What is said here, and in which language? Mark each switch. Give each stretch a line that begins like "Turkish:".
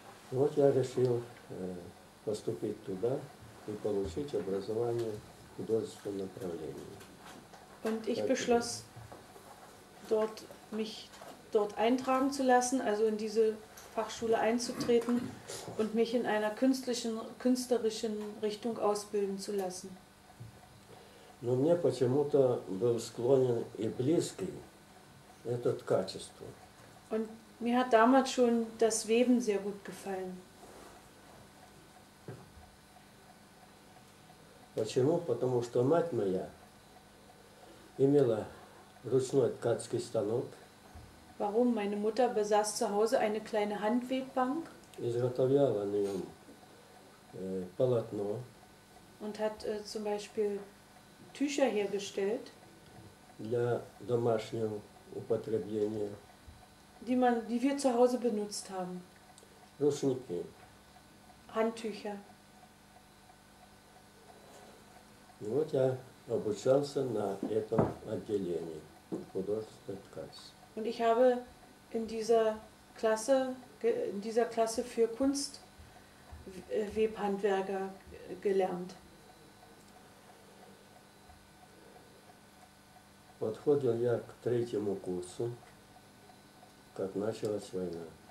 Russian: Вот я решил поступить туда и получить образование в художественном направлении.
German: Und ich beschloss, mich dort eintragen zu lassen, also in diese Fachschule einzutreten und mich in einer künstlerischen Richtung ausbilden zu lassen.
Russian: Но мне почему-то был склонен и близкий этот качество.
German: Und mir hat damals schon das Weben sehr gut gefallen.
Russian: Почему? Потому что мать моя имела ручной ткацкий станок.
German: Warum? Meine Mutter besaß zu Hause eine kleine Handwebbank.
Russian: Изготовляла на нем полотно.
German: Und hat zum Beispiel Tücher hergestellt.
Russian: Для домашнего употребления.
German: Die wir zu Hause benutzt haben.
Russian: Ручники.
German: Handtücher.
Russian: И вот я обучался на этом отделении художественной ткани.
German: Und ich habe in dieser Klasse für Kunstwebhandwerker gelernt.
Russian: Подходил я к третьему курсу, как началась война.